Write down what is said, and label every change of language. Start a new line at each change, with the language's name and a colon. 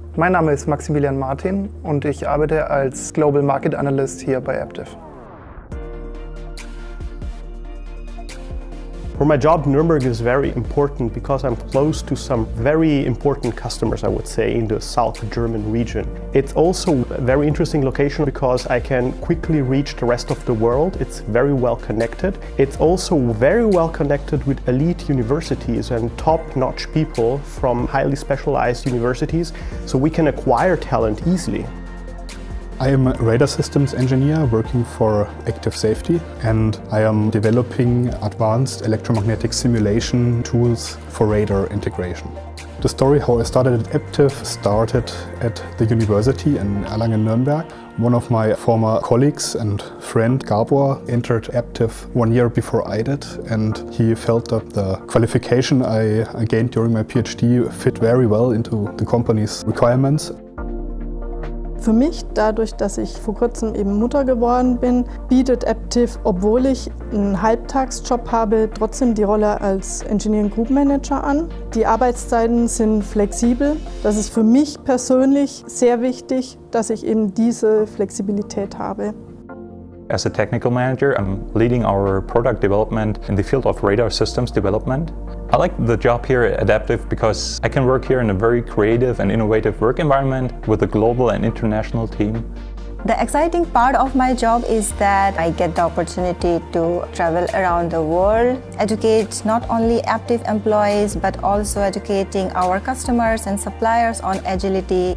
German: Mein Name ist Maximilian Martin und ich arbeite als Global Market Analyst hier bei Aptiv.
English: For my job, Nürnberg is very important because I'm close to some very important customers, I would say, in the South German region. It's also a very interesting location because I can quickly reach the rest of the world. It's very well connected. It's also very well connected with elite universities and top-notch people from highly specialized universities, so we can acquire talent easily. I am a radar systems engineer working for Aptiv Safety, and I am developing advanced electromagnetic simulation tools for radar integration. The story how I started at Aptiv started at the university in Erlangen-Nürnberg. One of my former colleagues and friend, GABOR, entered Aptiv 1 year before I did, and he felt that the qualification I gained during my PhD fit very well into the company's requirements.
German: Für mich, dadurch, dass ich vor kurzem eben Mutter geworden bin, bietet Aptiv, obwohl ich einen Halbtagsjob habe, trotzdem die Rolle als Engineering Group Manager an. Die Arbeitszeiten sind flexibel. Das ist für mich persönlich sehr wichtig, dass ich eben diese Flexibilität habe.
English: As a technical manager, I'm leading our product development in the field of radar systems development. I like the job here at Aptiv because I can work here in a very creative and innovative work environment with a global and international team. The exciting part of my job is that I get the opportunity to travel around the world, educate not only Aptiv employees, but also educating our customers and suppliers on agility.